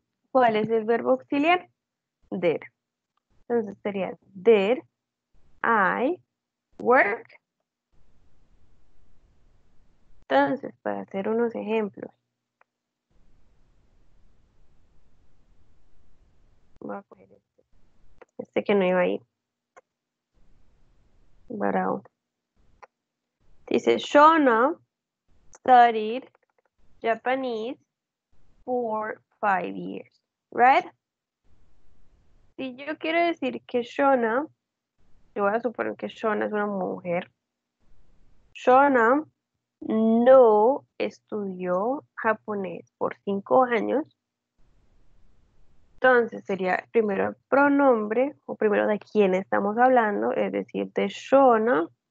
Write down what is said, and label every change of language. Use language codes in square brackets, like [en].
[es] ¿Cuál es el verbo auxiliar? Did. Entonces sería [en] did I work? [es] Entonces, para hacer unos ejemplos, voy a coger este que no iba ahí. Barao. [en] Dice, Shona studied Japanese for 5 years, right? [es] Si yo quiero decir que Shona, yo voy a suponer que Shona es una mujer. Shona no estudió japonés por 5 años. Entonces sería primero el pronombre o primero de quién estamos hablando, es decir, de Shona.